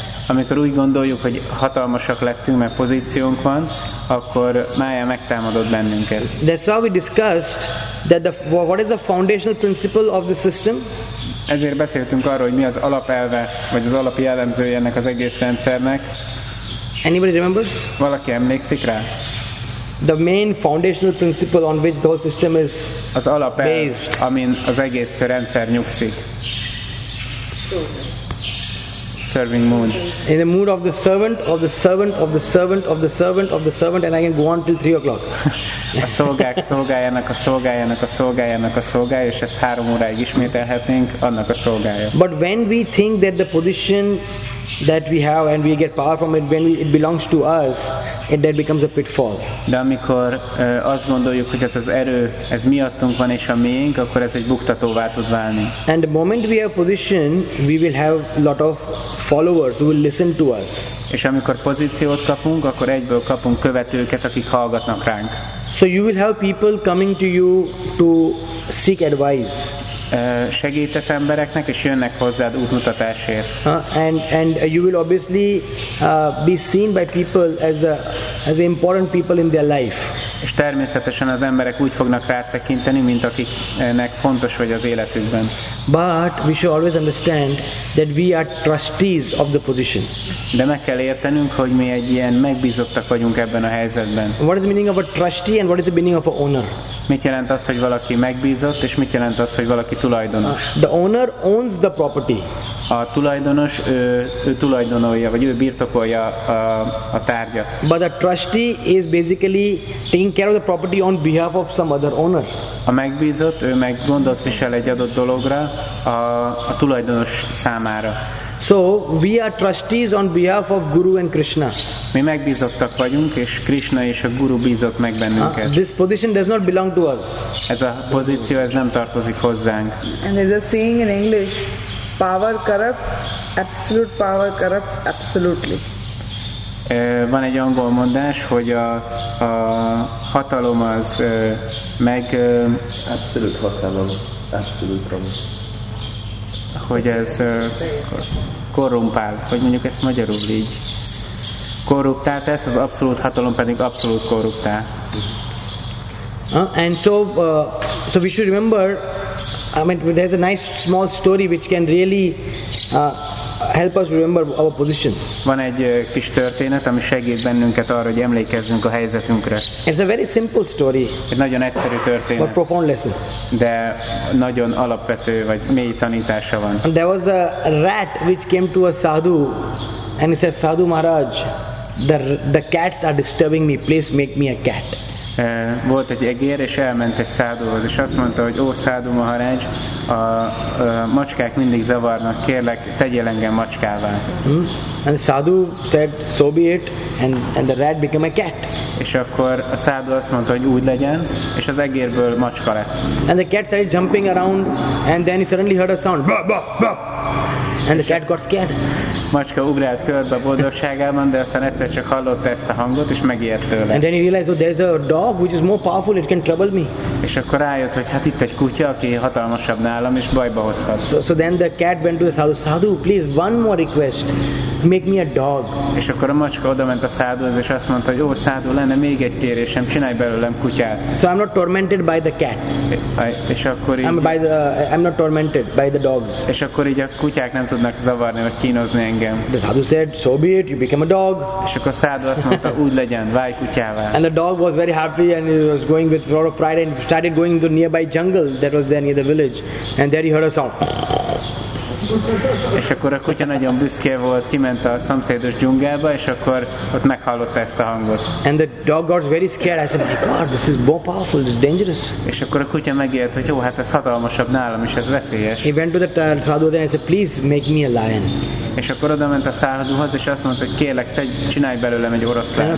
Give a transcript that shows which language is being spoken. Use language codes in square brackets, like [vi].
[hu] Amikor úgy gondoljuk, hogy hatalmasak lettünk, mert pozíciónk van, akkor mája megtámadott bennünket. [en] That's why we discussed that what is the foundational principle of the system? [hu] Ezért beszéltünk arról, hogy mi az alapelve, vagy az alap jellemzője ennek az egész rendszernek. [en] Anybody remembers? [hu] Valaki emlékszik rá? [en] The main foundational principle on which the whole system is [hu] az alapelv, based. Amin az egész rendszer nyugszik. [en] Serving mood. In the mood of the servant, of the servant, of the servant, of the servant, of the servant, and I can go on till 3 o'clock. [hu] A szolgák szolgájának, a szolgájának, a szolgájának, a szolgája, és ezt 3 óráig ismételhetnénk, annak a szolgája. [en] But when we think that the position that we have and we get power from it, when it belongs to us, and that becomes a pitfall. [hu] De amikor azt gondoljuk, hogy ez az erő, ez miattunk van és a miénk, akkor ez egy buktatóvá tud válni. [en] And the moment we have position, we will have lot of followers who will listen to us. [hu] És amikor pozíciót kapunk, akkor egyből kapunk követőket, akik hallgatnak ránk. [en] So you will have people coming to you to seek advice. [hu] Segítesz embereknek, és jönnek hozzád útmutatásért. [en] And you will obviously be seen by people as important people in their life. [hu] És természetesen az emberek úgy fognak rád tekinteni, mint akiknek fontos vagy az életükben. [en] But we should always understand that we are trustees of the position. [hu] De meg kell értenünk, hogy mi egy ilyen megbízottak vagyunk ebben a helyzetben. [en] What is the meaning of a trustee and what is the meaning of a owner? [hu] Mit jelent az, hogy valaki megbízott, és mit jelent az, hogy valaki tulajdonos? [en] The owner owns the property. [hu] A tulajdonos ő tulajdonolja, vagy ő birtokolja a tárgyat. [en] But a trustee is basically taking care of the property on behalf of some other owner. [hu] A megbízott, ő meg gondot visel egy adott dologra a tulajdonos számára. [en] So we are trustees on behalf of Guru and Krishna. [hu] Mi megbízottak vagyunk, és Krishna és a Guru bízott meg bennünket. [en] This position does not belong to us. [hu] Ez a pozíció, ez nem tartozik hozzánk. [en] And there's a saying in English, power corrupts, absolute power corrupts absolutely. [hu] Van egy angol mondás, hogy a hatalom az meg... Abszolút hatalom, abszolút romos. Hogy ez korrumpál, hogy mondjuk ezt magyarul így. Korruptá tesz, az abszolút hatalom pedig abszolút korruptá. [en] And so, so we should remember, I mean, there's a nice small story which can really help us remember our position. [hu] Van egy kis történet, ami segít bennünket arra, hogy emlékezzünk a helyzetünkre. [en] It's a very simple story. [hu] Egy nagyon egyszerű történet. [en] But profound lesson. [hu] De nagyon alapvető vagy mély tanítása van. [en] And there was a rat which came to a sadhu, and he said, "Sadhu Maharaj, the cats are disturbing me. Please make me a cat." [hu] Volt egy egér, és elment egy szádóhoz, és azt mondta, hogy ó, Sadhu Maharaj, a macskák mindig zavarnak, kérlek, tegyél engem macskává. [en] And Sadhu said, so be it, and the rat became a cat. [hu] És akkor a szádó azt mondta, hogy úgy legyen, és az egérből macska lett. [en] And the cat started jumping around, and then he suddenly heard a sound, bah, bah, bah. And the cat got scared. [hu] Macska ugrált körbe boldogságában, de aztán egyszer csak hallotta ezt a hangot, és megijedt tőle. [en] And then he realized, oh, there's a dog which is more powerful, it can trouble me. [hu] És akkor rájött, hogy hát itt egy kutya, aki hatalmasabb nálam, és bajba hozhat. [en] So then the cat went to the sadhu, sadhu, please, one more request, make me a dog. [hu] És akkor a macska odament a sadhuhoz, és azt mondta, hogy ó, sadhu, lenne még egy kérésem, csinálj belőlem kutyát. [en] So I'm not tormented by the cat. [hu] És akkor így... [en] I'm not tormented by the dogs. [hu] És akkor így a kutyák nem tudnak zavarni, vagy kínozni engem. [en] The sadhu said, so be it, you become a dog. [hu] És akkor a sadhu azt mondta, úgy legyen, válj kutyává. [en] And the dog was very happy, and he was going with a lot of pride, and started going to the nearby jungle that was there near the village. And there he heard a sound. [hu] És akkor a kutya nagyon büszke volt, kiment a szomszédos dzsungelbe, és akkor ott meghallotta ezt a hangot. [en] And the dog got very scared. I said, my God, this is more powerful, this is dangerous. [hu] És akkor a kutya megijedt, hogy jó, hát ez hatalmasabb nálam, és ez veszélyes. [en] He went to the sadhu and said, please make me a lion. [hu] És akkor oda ment a sadhuhoz, és azt mondta, hogy kérlek, te csinálj belőlem egy oroszlán.